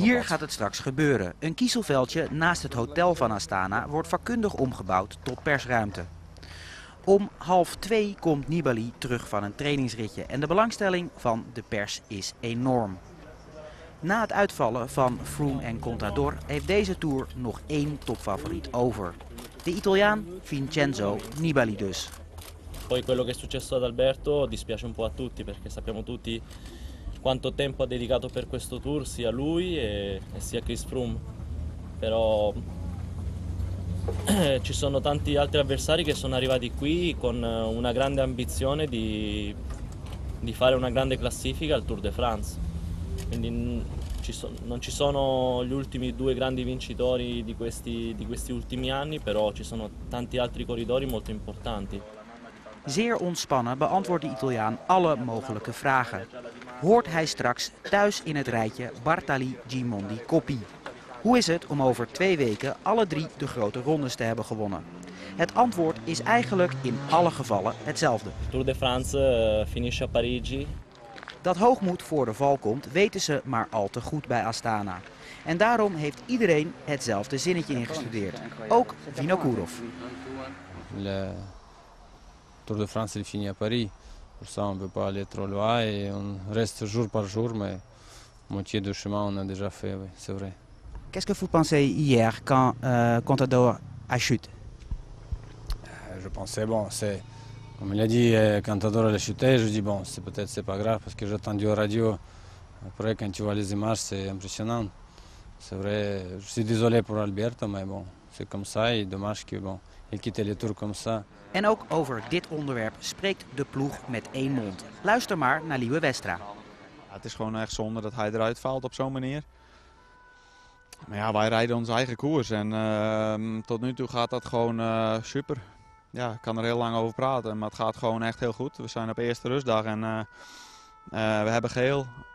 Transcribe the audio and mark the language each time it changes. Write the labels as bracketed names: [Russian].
[Dutch] hier op gaat het straks gebeuren. Een kiezelveldje naast het hotel van Astana wordt vakkundig omgebouwd tot persruimte. Om 2:30 komt Nibali terug van een trainingsritje. En de belangstelling van de pers is enorm. Na het uitvallen van Froome en Contador heeft deze Tour nog één topfavoriet over. De Italiaan Vincenzo Nibali dus. [Italian] Poi quello che è successo ad Alberto dispiace un po' a tutti perché sappiamo tutti quanto tempo ha dedicato per questo tour sia lui e sia Chris Froome. Però ci sono tanti altri avversari che sono arrivati qui con una grande ambizione di fare una grande classifica al Tour de France. Quindi non ci sono gli ultimi due grandi vincitori di questi ultimi anni, però ci sono tanti altri corridori molto importanti. [Dutch] Zeer ontspannen beantwoordt de Italiaan alle mogelijke vragen. Hoort hij straks thuis in het rijtje Bartali, Gimondi, Coppi? Hoe is het om over 2 weken alle 3 de grote rondes te hebben gewonnen? Het antwoord is eigenlijk in alle gevallen hetzelfde. [Italian] Tour de France finisce a Parigi. [Dutch] Dat hoogmoed voor de val komt, weten ze maar al te goed bij Astana. En daarom heeft iedereen hetzelfde zinnetje ingestudeerd. Ook Vinokourov. [French] Le Tour de France est fini à Paris. Pour ça on peut pas aller trop loin et on reste jour par jour mais moitié du chemin on a déjà fait, oui, c'est vrai. Qu'est-ce que vous pensez hier quand Contador a chuté? Je pensais bon, c'est comme il a dit, quand Contador a chuté, je dis bon, c'est peut-être c'est pas grave parce que j'ai entendu la radio. Après, quand tu vois les images, c'est impressionnant. C'est vrai, je suis désolé pour Alberto, mais bon, c'est comme ça. Et dommage qu'il bon, il quitte le tour comme ça. [Dutch] En ook over dit onderwerp spreekt de ploeg met één mond. Luister maar naar Liewe Westra. Ja, het is gewoon echt zonde dat hij eruit faalt op zo'n manier. Maar ja, wij rijden onze eigen koers en tot nu toe gaat dat gewoon super. Ja, ik kan er heel lang over praten, maar het gaat gewoon echt heel goed. We zijn op eerste rustdag en we hebben geel.